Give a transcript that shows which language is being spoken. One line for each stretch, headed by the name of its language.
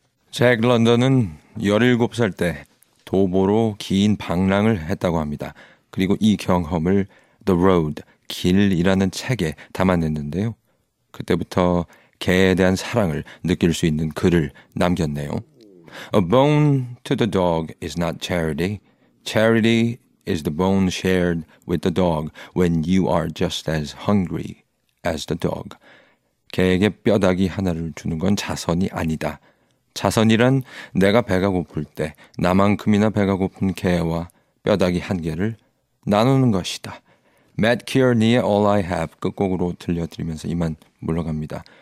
Korean: 잭 런던은 17살 때 도보로 긴 방랑을 했다고 합니다. 그리고 이 경험을 The Road, 길이라는 책에 담아냈는데요. 그때부터 개에 대한 사랑을 느낄 수 있는 글을 남겼네요.
English: A bone to the dog is not charity. Charity is the bone shared with the dog when you are just as hungry as the dog.
Korean: 개에게 뼈다귀 하나를 주는 건 자선이 아니다. 자선이란 내가 배가 고플 때 나만큼이나 배가 고픈 개와 뼈다귀 한 개를 나누는 것이다. Matt Kearney의 All I Have 끝곡으로 들려드리면서 이만 물러갑니다.